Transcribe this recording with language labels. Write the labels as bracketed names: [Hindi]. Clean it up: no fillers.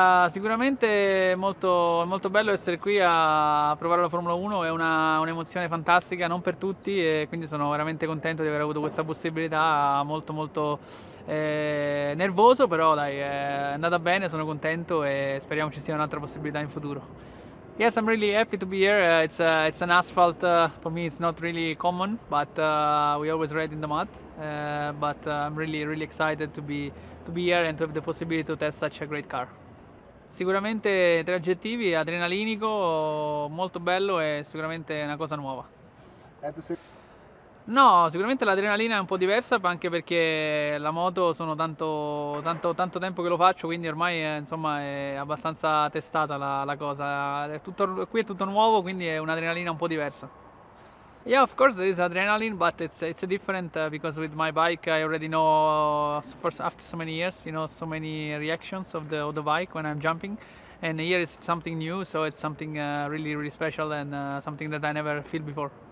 [Italian] Sicuramente molto molto bello essere qui a provare la Formula 1. È un'emozione fantastica, non per tutti, e quindi sono veramente contento di aver avuto questa possibilità. Molto molto nervoso, però dai, è andata bene, sono contento e speriamo ci sia un'altra possibilità in futuro. [English] Yes, I'm really happy to be here. It's an asphalt, for me it's not really common, but we always ride in the mud. But I'm really really excited to be here and to have the possibility to test such a great car. [Italian] Sicuramente tre aggettivi: adrenalinico, molto bello e sicuramente una cosa nuova. No, sicuramente l'adrenalina è un po' diversa, anche perché la moto sono tanto tempo che lo faccio, quindi ormai insomma è abbastanza testata la cosa. È tutto nuovo, quindi è un'adrenalina un po' diversa. [English] Yeah, of course there is adrenaline, but it's different because with my bike I already know after so many years, you know, so many reactions of the bike when I'm jumping, and here is something new, so it's something really really special and something that I never feel before.